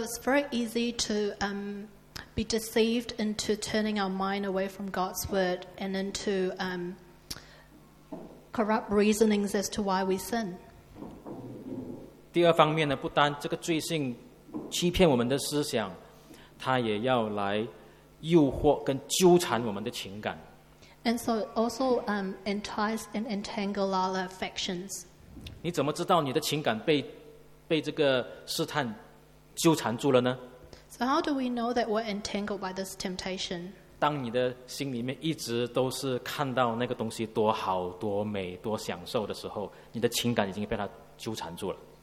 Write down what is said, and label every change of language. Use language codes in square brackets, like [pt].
[en] it's very easy to be deceived into turning our mind away from God's word and into corrupt reasonings as to why we sin. [zh] 第二方面呢，不单这个罪性欺骗我们的思想。他也要来诱惑跟纠缠我们的情感。 [en] And so it also entice and entangle our affections. [zh] 你怎么知道你的情感被被这个试探纠缠住了呢？ [en] So how do we know that we're entangled by this temptation? [zh] 当你的心里面一直都是看到那个东西多好多美多享受的时候，你的情感已经被它纠缠住了。